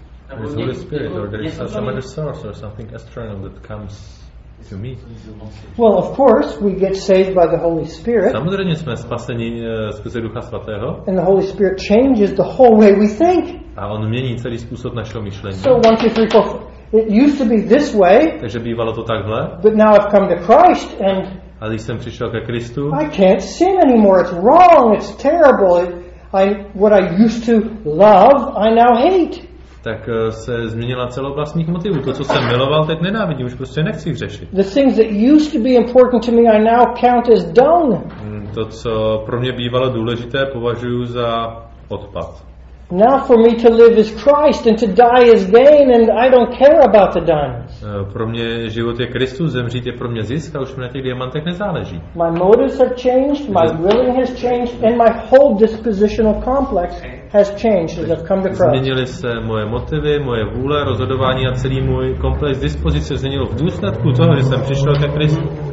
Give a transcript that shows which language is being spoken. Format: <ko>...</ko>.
<en>There's Holy Spirit, or there is some other source or something external that comes to me. Well, of course, we get saved by the Holy Spirit.</en> <cs>Samozřejmě jsme spaseni skrze Ducha Svatého.</cs> <en>And the Holy Spirit changes the whole way we think.</en> <cs>A on mění celý způsob našeho myšlení.</cs> <en>So 1, 2, 3, 4. It used to be this way.</en> <cs>Takže bývalo to takhle.</cs> <en>But now I've come to Christ and.</en> <cs>A když jsem přišel ke Kristu.</cs> <en>I can't sin anymore. It's wrong. It's terrible. What I used to love, I now hate.</en> <cs>Tak se změnila celá oblast mých motivů. To, co jsem miloval, teď nenávidím. Už prostě nechci řešit.</cs> <en>The things that used to be important to me, I now count as dung.</en> <cs>To, co pro mě bývalo důležité, považuji za odpad.</cs> <en>Now for me to live is Christ and to die is gain and I don't care about the diamonds.</en> <cs>Pro mě život je Kristus, zemřít je pro mě zisk a už mi na těch diamantech nezáleží.</cs> <en>My motives have changed, my willing has changed and my whole dispositional complex has changed as I've come to Christ.</en> <cs>Změnily se moje motivy, moje vůle, rozhodování a celý můj komplex dispozice změnilo v důsledku toho, že jsem přišel ke Kristu.</cs>